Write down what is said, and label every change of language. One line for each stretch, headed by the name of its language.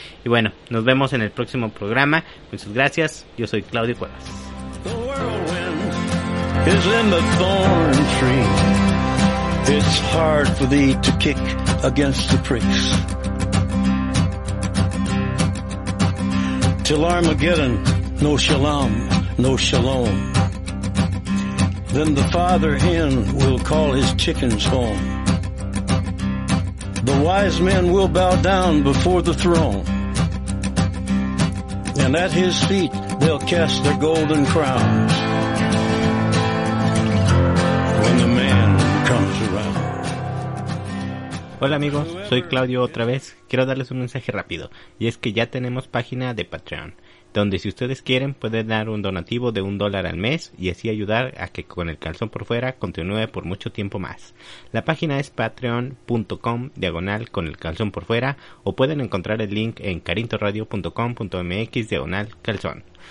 Spanish: Y bueno, nos vemos en el próximo programa. Muchas gracias, yo soy Claudio Cuevas.
English: The whirlwind is in the thorn tree. It's hard for thee to kick against the pricks. Till Armageddon, no shalom, no shalom. Then the father hen will call his chickens home. The wise men will bow down before the throne. And at his feet they'll cast their golden crowns. When the man comes around.
Spanish: Hola amigos, soy Claudio otra vez. Quiero darles un mensaje rápido. Y es que ya tenemos página de Patreon, donde si ustedes quieren pueden dar un donativo de $1 al mes y así ayudar a que Con el Calzón por Fuera continúe por mucho tiempo más. La página es patreon.com/con el calzón por fuera o pueden encontrar el link en carintoradio.com.mx/calzón.